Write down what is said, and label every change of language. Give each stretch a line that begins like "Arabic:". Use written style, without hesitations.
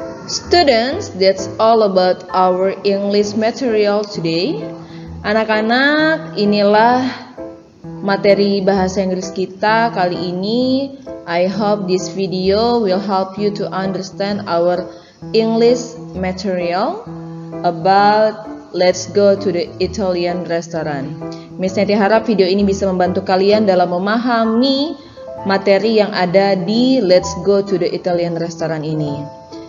English: Students, that's all about our English material today.
Indonesian: Anak-anak, inilah materi bahasa Inggris kita kali ini.
English: I hope this video will help you to understand our English material about let's go to the Italian restaurant.
Indonesian: Miss Nety harap video ini bisa membantu kalian dalam memahami materi yang ada di let's go to the Italian restaurant ini.